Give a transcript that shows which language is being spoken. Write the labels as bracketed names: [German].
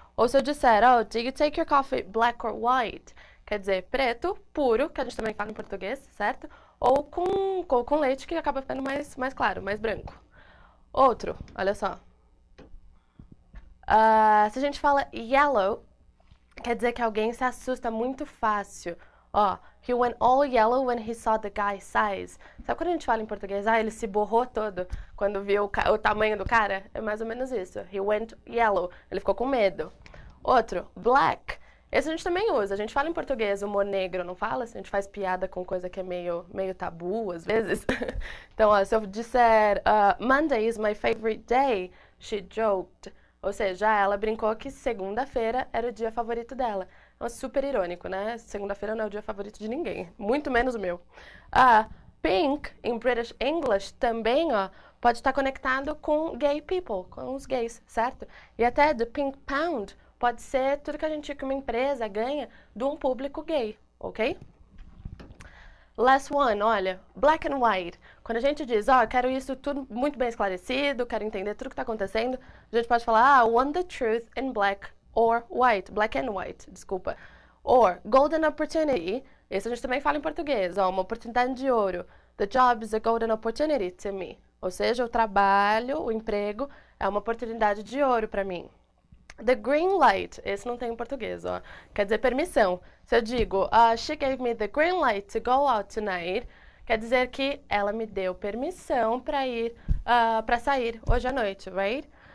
[Portuguese] Ou se eu disser, oh, [English] do you take your coffee black or white? [Portuguese] Quer dizer, preto, puro, que a gente também fala em português, certo? Ou com leite, que acaba ficando mais claro, mais branco. Outro, olha só. Se a gente fala yellow, quer dizer que alguém se assusta muito fácil. [English] Ó, he went all yellow when he saw the guy's size. [Portuguese] Sabe quando a gente fala em português, ah, ele se borrou todo quando viu o tamanho do cara? É mais ou menos isso. [English] He went yellow. [Portuguese] Ele ficou com medo. Outro, black. Esse a gente também usa. A gente fala em português, humor negro, não fala? Se a gente faz piada com coisa que é meio tabu, às vezes. Então, ó, se eu disser, [English] Monday is my favorite day, she joked. [Portuguese] Ou seja, ela brincou que segunda-feira era o dia favorito dela. É super irônico, né? Segunda-feira não é o dia favorito de ninguém, muito menos o meu. Ah, pink, em British English, também, ó, pode estar conectado com gay people, com os gays, certo? E até [English] the pink pound [Portuguese] pode ser tudo que a gente, que uma empresa ganha de um público gay, ok? [English] Last one, [Portuguese] olha, black and white. Quando a gente diz, ó, quero isso tudo muito bem esclarecido, quero entender tudo que está acontecendo, a gente pode falar, ah, [English] want the truth in black. Or white, black and white, desculpa. Or golden opportunity, [Portuguese] esse a gente também fala em português, ó, uma oportunidade de ouro. [English] The job is a golden opportunity to me. [Portuguese] Ou seja, o trabalho, o emprego é uma oportunidade de ouro para mim. [English] The green light, [Portuguese] esse não tem em português, ó. Quer dizer permissão. Se eu digo, [English] she gave me the green light to go out tonight, [Portuguese] quer dizer que ela me deu permissão para ir, para sair hoje à noite, [English] right?